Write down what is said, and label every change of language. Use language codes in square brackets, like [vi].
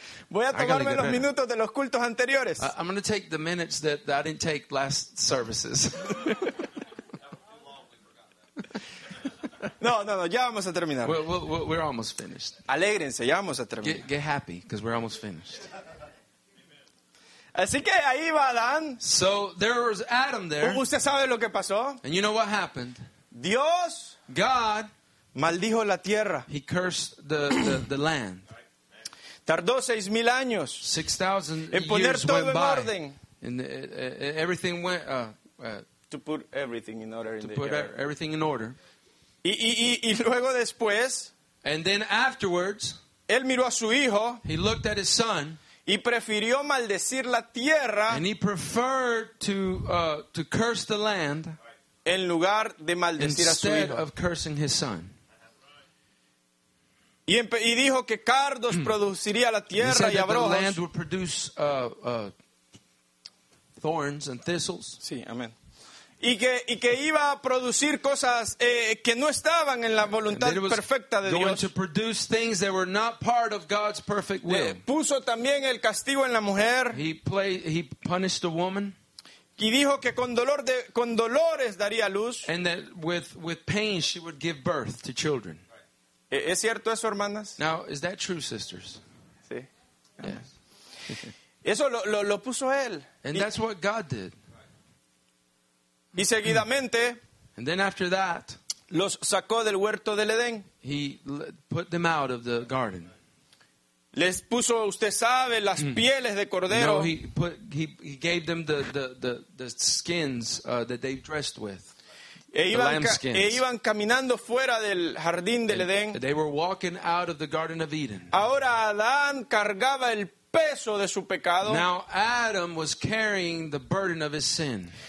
[es] Voy a tomarme los minutos de los cultos anteriores. [en] I'm going to take the minutes that I didn't take last services. [es] No, ya vamos a terminar. [en] We're almost finished. [es] Alégrense, ya vamos a terminar. [en] Get happy, because we're almost finished. [es] Así que ahí va Adán. [en] So there was Adam there. [es] ¿Usted sabe lo que pasó? [en] And you know what happened? [es] Dios, [en] God, [es] maldijo la tierra. [en] He cursed the land. [es] Tardó 6,000 años. [en] 6,000 [es] en poner [en] years [es] todo [en] went [es] en [en] by. [es] Orden. [en] And everything went to put everything in order. To put everything in order. [es] Y luego después. [en] And then afterwards. [es] Él miró a su hijo. [en] He looked at his son. [es] Y prefirió maldecir la tierra [en] to curse the land [es] en lugar de maldecir a su hijo. [en] Instead of cursing his son. [es] Y dijo que cardos produciría la tierra y abrojos. [en] He said that the land would produce thorns and thistles. [es] Sí, amén. Y que iba a producir cosas que no estaban en la voluntad perfecta de Dios. [en] Going to produce things that were not part of God's perfect will. [es] Puso también el castigo en la mujer. [en] He punished the woman. [es] Y dijo que con dolores daría luz. [en] And that with pain she would give birth to children. [es] ¿Es cierto eso, hermanas? [en] Now, is that true, sisters? [es] Sí. [en] Yes. [es] Eso lo puso él. [en] And that's what God did. [es] Y seguidamente, [en] and then after that, [es] los sacó del huerto del Edén. [en] He put them out of the garden. [es] Les puso, usted sabe, las pieles de cordero. [en] No, he gave them the skins that they dressed with. [es] E iban caminando fuera del jardín del Edén. [en] They were walking out of the Garden of Eden. [es] Ahora Adán cargaba el peso de su pecado. [en] Now Adam was carrying the burden of his sin.